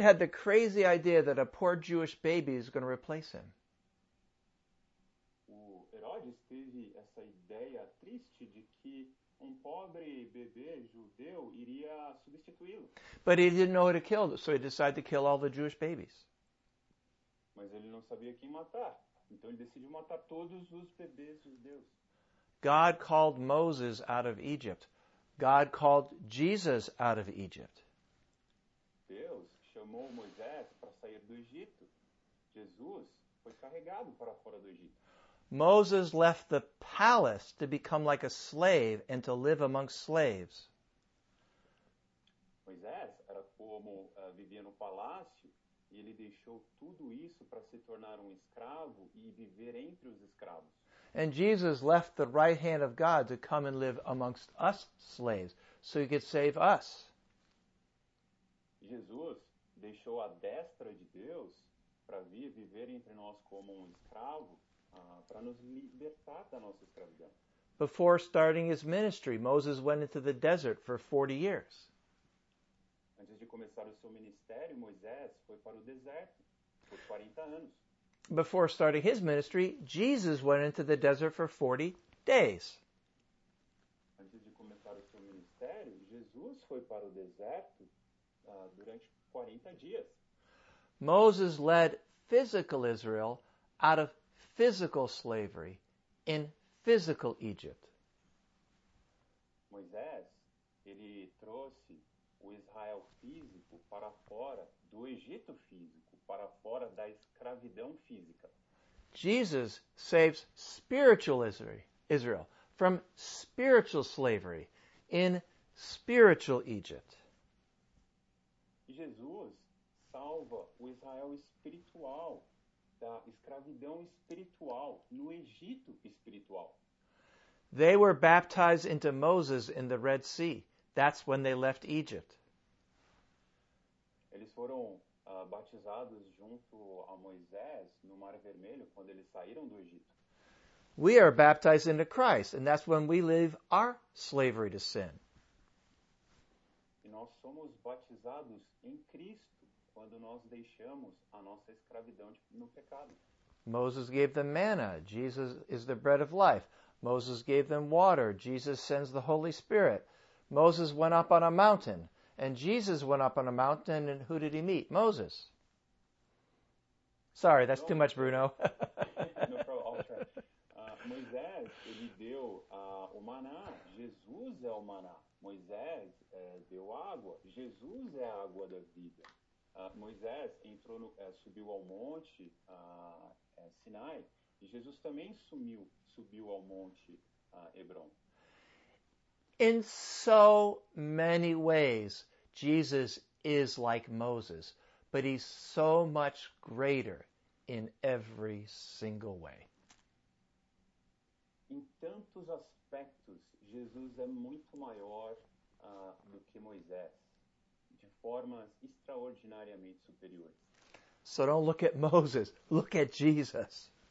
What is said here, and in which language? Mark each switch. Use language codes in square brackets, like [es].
[en] had the crazy idea that a poor Jewish baby is going to replace him. [pt] O Herodes teve essa ideia triste de que pobre bebê judeu iria substituí-lo. [en] But he didn't know who to kill, so he decided to kill all the Jewish babies. [pt] Mas ele não sabia quem matar, então ele decidiu matar todos os bebês judeus. [en] God called Moses out of Egypt. God called Jesus out of Egypt. [pt] Deus chamou Moisés para sair do Egito. Jesus foi carregado para fora do Egito. [en] Moses left the palace to become like a slave and to live among slaves. [pt] Moisés era como vivia no palácio e ele deixou tudo isso para se tornar escravo e viver entre os escravos. [en] And Jesus left the right hand of God to come and live amongst us slaves so he could save us. [pt] Jesus deixou a destra de Deus para vir viver entre nós como escravo. Para nos libertar da nossa escravidão. [en] Before starting his ministry, Moses went into the desert for 40 years. [pt] Antes de começar o seu ministério, Moisés foi para o deserto por 40 anos. [en] Before starting his ministry, Jesus went into the desert for 40 days. [pt] Antes de começar o seu ministério, Jesus foi para o deserto durante 40 dias. [en] Moses led physical Israel out of physical slavery in physical Egypt. [pt] Moisés, ele trouxe o Israel físico para fora do Egito físico, para fora da escravidão física. [en] Jesus saves spiritual Israel from spiritual slavery in spiritual Egypt. [pt] Jesus salva o Israel espiritual da escravidão espiritual no Egito espiritual. [en] They were baptized into Moses in the Red Sea. That's when they left Egypt. [pt] Eles foram batizados junto a Moisés no Mar Vermelho quando eles saíram do Egito. [en] We are baptized into Christ, and that's when we leave our slavery to sin. [pt] E nós somos batizados em Cristo quando nós deixamos a nossa escravidão no pecado. [en] Moses gave them manna. Jesus is the bread of life. Moses gave them water. Jesus sends the Holy Spirit. Moses went up on a mountain. And Jesus went up on a mountain. And who did he meet? Moses. Sorry, that's too much, Bruno. No problem. I'll try. [pt] Moisés, ele deu o maná. Jesus é o maná. Moisés deu água, Jesus é a água da vida. Moisés entrou no, subiu ao monte Sinai, e Jesus também subiu ao monte Hebron. [en] In so many ways, Jesus is like Moses, but he's so much greater in every single way. [pt] Em tantos aspectos, Jesus é muito maior do que Moisés, de formas extraordinariamente superiores. [en] So don't look at Moses, look at Jesus.